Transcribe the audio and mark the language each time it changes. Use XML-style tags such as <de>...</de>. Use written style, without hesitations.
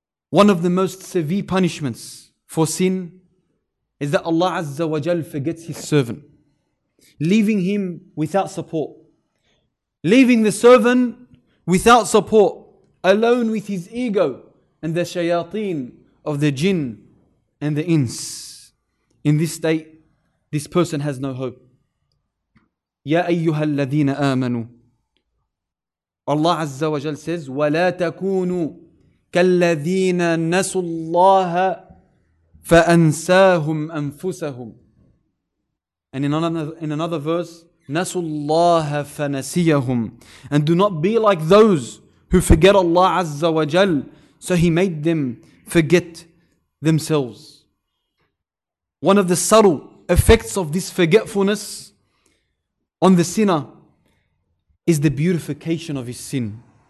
<en>One of the most severe punishments for sin is that Allah Azza wa Jal forgets His servant, leaving him without support. Leaving the servant without support, alone with his ego and the shayateen of the jinn and the ins. In this state, this person has no hope.</en> <ar>يَا أَيُّهَا الَّذِينَ آمَنُوا</ar> <en>Allah Azza wa Jal says,</en> <ar>وَلَا تَكُونُوا كَالَّذِينَ نَسُوا اللَّهَ فَأَنْسَاهُمْ أَنفُسَهُمْ.</ar> <en>And in another verse,</en> <ar>نَسُوا اللَّهَ فَنَسِيَهُمْ.</ar> <en>And do not be like those who forget Allah Azza wa Jal. So He made them forget themselves. One of the subtle effects of this forgetfulness on the sinner is the beautification of his sin.</en>